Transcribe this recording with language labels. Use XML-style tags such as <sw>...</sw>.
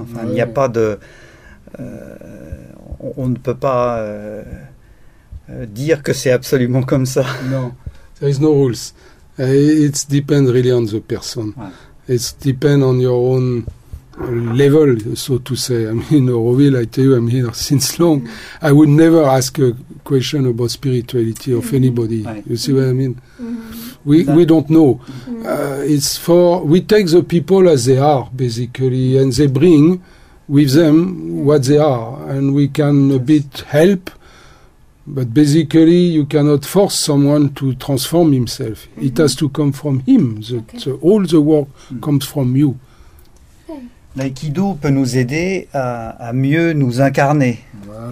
<fr>Enfin, ouais. Il n'y a pas de on ne peut pas dire que c'est absolument comme ça. Non.</fr> <en>There is no rules. It depends really on the person.</en> <fr>Ouais.</fr> <en>It depends on your own level, so to say. I mean, Oroville, I tell you, I'm here since long. Mm-hmm. I would never ask a question about spirituality of anybody. Right. You see what I mean? Mm-hmm. We don't know. Mm-hmm. We take the people as they are, basically, and they bring with them what they are, and we can a bit help. But basically, you cannot force someone to transform himself. Mm-hmm. It has to come from him. All the work comes from you. Okay.</en> <fr>L'aïkido peut nous aider à mieux nous incarner, voilà.</fr>